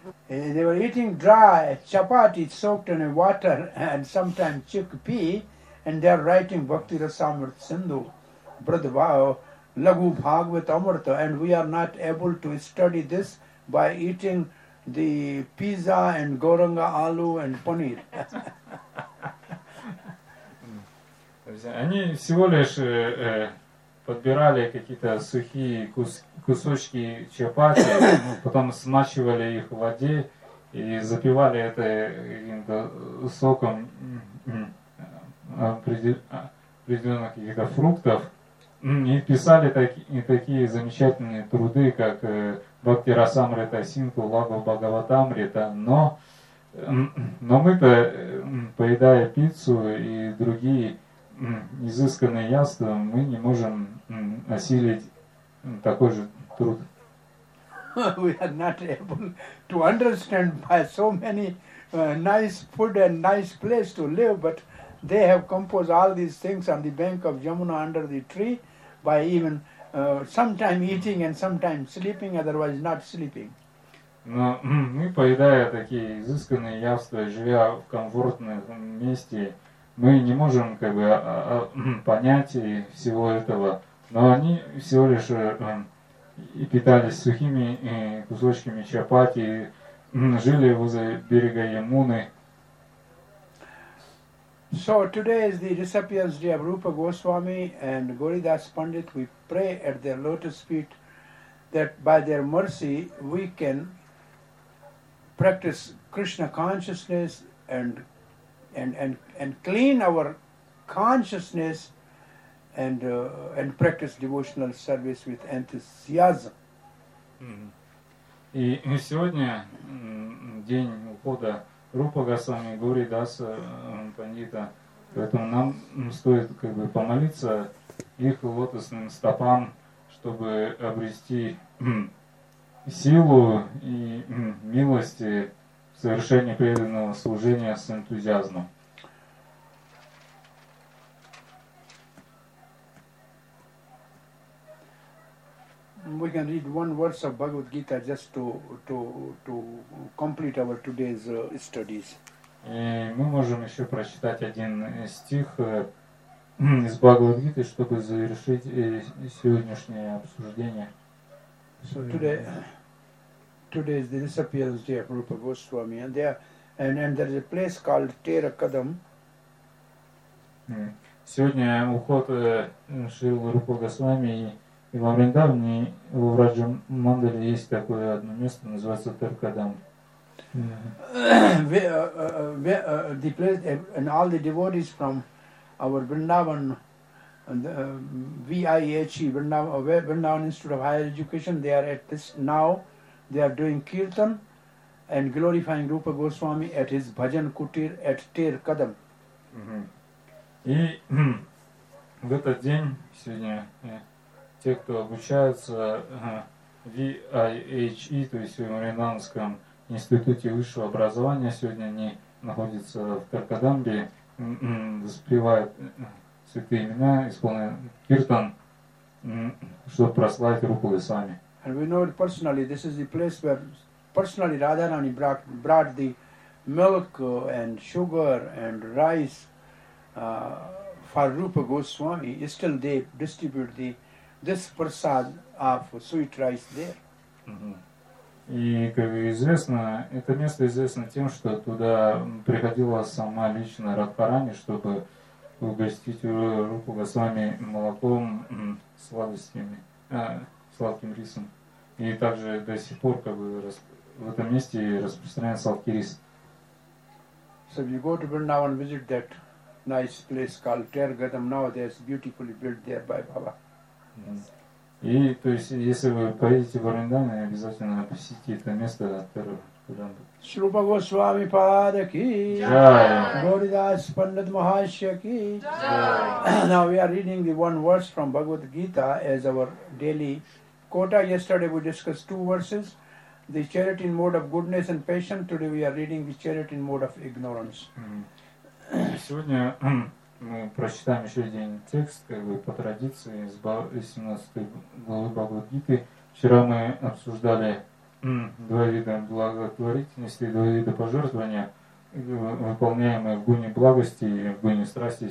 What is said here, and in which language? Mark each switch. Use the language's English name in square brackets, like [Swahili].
[English] They were eating dry chapati soaked in water and sometimes chickpea. And they are writing Bhakti Rasamrita Sindhu, Bradhavao, Lagu Bhagavat Amrita, and we are not able to study this by eating the pizza and goranga aloo and paneer. [Russian] Они всего лишь подбирали какие-то сухие кусочки чапати, потом смачивали их в воде и запивали это каким-то соком определенных каких-то фруктов и писали такие замечательные труды, как Бхакти Расамрита Синку Лагу Бхагаватамрита, но мы-то, поедая пиццу и другие изысканные яства, мы не можем осилить такой же труд. [English] We are not able to understand by so many nice food and nice place to live, but they have composed all these things on the bank of Yamuna under the tree by even sometime eating and sometime sleeping, otherwise not sleeping. [Russian] Но мы, поедая такие изысканные явства, живя в комфортных месте, мы не можем как бы понять всего этого. Но они всего лишь и питались сухими кусочками чапати, жили возле берега Ямуны. [English] So today is the disappearance day of Rupa Goswami and Goridas Pandit. We pray at their lotus feet that by their mercy we can practice Krishna consciousness and clean our consciousness and practice devotional service with enthusiasm. [Russian] И сегодня день ухода Рупа Госвами, Горидаса Пандита, поэтому нам стоит как бы помолиться их лотосным стопам, чтобы обрести силу и милости в совершении преданного служения с энтузиазмом. [English] We can read one verse of Bhagavad Gita just to complete our today's studies. [Russian] И мы можем еще прочитать один стих из Бхагавад Гиты, чтобы завершить сегодняшнее обсуждение. [English] So today is the disappearance day of Rupa Goswami, and there is a place called Terakadam. [Russian] Сегодня уход Шрилы Рупа Госвами. И во Вриндаване, в Враджа-мандале, есть такое одно место, называется Теркадам. [English] The place, and all the devotees from our Vrindavan, VIHE, Vrindavan Institute of Higher Education, they are at this now, they are doing Kirtan and glorifying Rupa Goswami at his Bhajan Kutir at Теркадам. [Russian] И в этот день, сегодня, те, кто обучаются VIHE, то есть в Вриндаванском институте высшего образования, сегодня они находятся в Теркадамбе, воспевают святые имена, исполняют киртан, чтобы прославить Рупу Госвами. [English] And we know it personally. This is the place where personally Radharani brought the milk and sugar and rice for Rupa Goswami. Still they distribute the this prasad of sweet rice there. [Russian] И как известно, это место известно тем, что туда приходила сама лично Радхарани, чтобы угостить Рупу Госвами молоком, сладостями, сладким рисом. И также до сих пор как бы в этом месте распространяется сладкий рис. [English] So you go to Vrindavan, visit that nice place called Теркадам. Now there's beautifully built there by Baba. [Russian] И, то есть, если вы поедете в Вриндаван, обязательно посетите это место, Теркадам. [Hindi] Шрупа Госвами Пада ки, Джай! Горидас Пандит Махашья ки, Джай! [English] Now we are reading the one verse from Bhagavad Gita as our daily quota. Yesterday we discussed two verses, the chariot in mode of goodness and passion. Today we are reading the chariot in mode of ignorance. [Russian] Сегодня мы прочитаем еще один текст, как бы по традиции, из 17 главы Бхагавад Гиты. Вчера мы обсуждали два вида благотворительности, два вида пожертвования, выполняемые в гуне благости и в гуне страсти.